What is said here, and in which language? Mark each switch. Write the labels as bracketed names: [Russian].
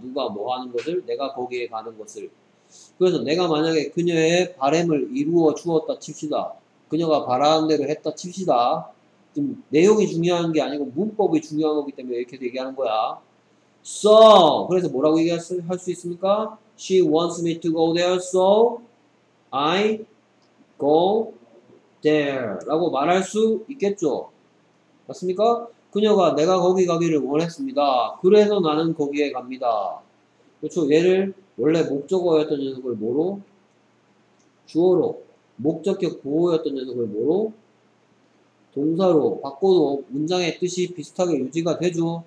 [Korean] 누가 뭐 하는 것을? 내가 거기에 가는 것을. 그래서 내가 만약에 그녀의 바람을 이루어 주었다 칩시다. 그녀가 바라는 대로 했다 칩시다. 지금 내용이 중요한 게 아니고 문법이 중요한 거기 때문에 이렇게 얘기하는 거야. So, 그래서 뭐라고 얘기할 수 있습니까? [English] She wants me to go there, so I go there. [Korean] 라고 말할 수 있겠죠. 맞습니까? 그녀가 내가 거기 가기를 원했습니다. 그래서 나는 거기에 갑니다. 그렇죠? 얘를 원래 목적어였던 녀석을 뭐로? 주어로. 목적격 보호였던 녀석을 뭐로? 동사로 바꿔도 문장의 뜻이 비슷하게 유지가 되죠.